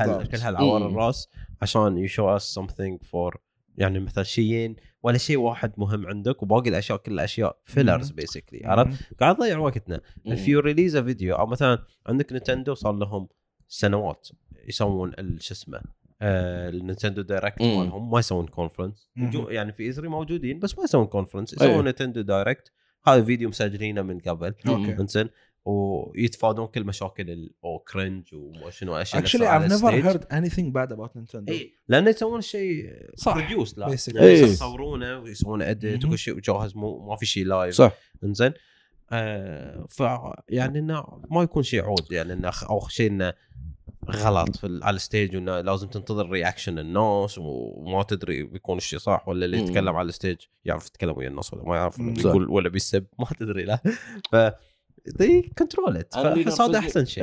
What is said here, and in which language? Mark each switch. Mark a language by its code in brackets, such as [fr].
[ar] كل هالعوار الراس عشان [en] you show us something for [ar] يعني مثل شيئين ولا شيء واحد مهم عندك وباقي الاشياء كل الاشياء [en] fillers basically [ar] عرفت قاعد تضيع وقتنا [en] if you release a video [ar] او مثلا عندك نينتندو صار لهم سنوات يسوون الشسمه النينتندو دايركت مالهم ما يسوون كونفرنس يعني في إزري موجودين بس ما يسوون كونفرنس يسوون نينتندو دايركت هذا فيديو مسجلينه من قبل انزين ويتفادون كل مشاكل او كرنج وموشن واشياء. [en] Actually I've never heard anything bad about Nintendo. [ar] إيه. لان يسوون شيء بروديوس لا يصورونه ويسوون اديت وكل شيء جاهز مو ما في شيء لايف صح. انزين ف يعني انه ما يكون شيء عود يعني انه او شيء انه غلط في على الستيج وانه لازم تنتظر رياكشن الناس وما تدري بيكون الشيء صح ولا اللي يتكلم على الستيج يعرف يتكلم ويا الناس ولا ما يعرف يقول ولا بيسب ما تدري لا ف دي كنترولت فهذا احسن شيء.